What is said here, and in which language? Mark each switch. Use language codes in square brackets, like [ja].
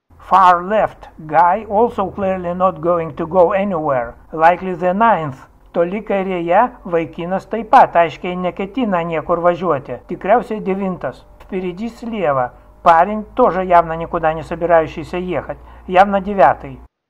[en] Far left guy also clearly not going to go anywhere, likely the ninth. [lt] Toli kairėje vaikinas taip pat aiškiai neketina niekur važiuoti, tikriausiai [ru] девятый. Впереди слева парень, тоже явно никуда не собирающийся ехать, явно девятый.